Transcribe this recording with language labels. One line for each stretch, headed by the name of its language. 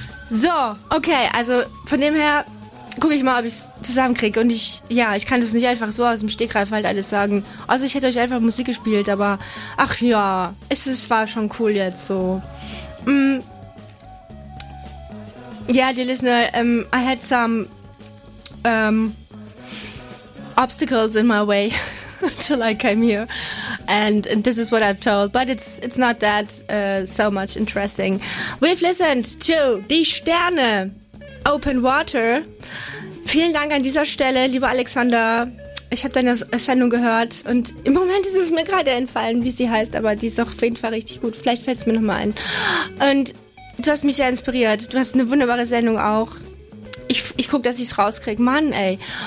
German: So, okay, also von dem her gucke ich mal, ob ich es zusammenkriege. Und ich kann das nicht einfach so aus dem Stegreif halt alles sagen. Also ich hätte euch einfach Musik gespielt, aber ach ja, es war schon cool jetzt so.
English: Yeah, dear listener, I had some obstacles in my way until I came here. And this is what I've told. But it's not that so much interesting. We've listened to Die Sterne. Open Water.
German: Vielen Dank an dieser Stelle, lieber Alexander. Ich habe deine Sendung gehört und im Moment ist es mir gerade entfallen, wie sie heißt, aber die ist auch auf jeden Fall richtig gut. Vielleicht fällt es mir nochmal ein. Und Du hast mich sehr inspiriert. Du hast eine wunderbare Sendung auch. Ich gucke, dass ich es rauskriege. Mann, ey.